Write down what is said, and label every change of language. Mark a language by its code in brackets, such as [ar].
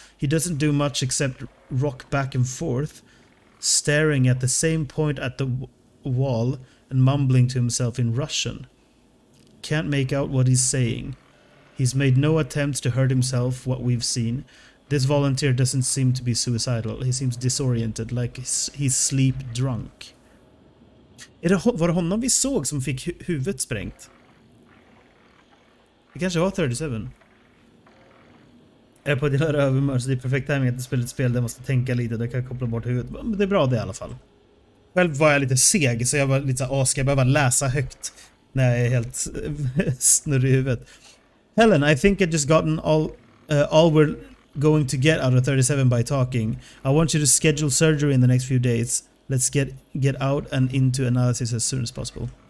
[en] He doesn't do much except rock back and forth, staring at the same point at the wall and mumbling to himself in Russian. Can't make out what he's saying. He's made no attempts to hurt himself, what we've seen. This volunteer doesn't seem to be suicidal. He seems disoriented, like he's sleep drunk. [sv] Var det honom vi såg som fick huvudet sprängt? Det kanske var 37. Jag är på att göra övermör, så det är perfekt timing att spela ett spel där jag måste tänka lite. Där kan jag koppla bort huvudet. Men det är bra det i alla fall. Själv var jag lite seg, så jag var lite så här, ska jag behöva läsa högt när jag är helt snurrig i huvudet. [en] Helen, I think I just gotten all we're going to get out of 37 by talking. I want you to schedule surgery in the next few days. Let's get out and into analysis as soon as possible.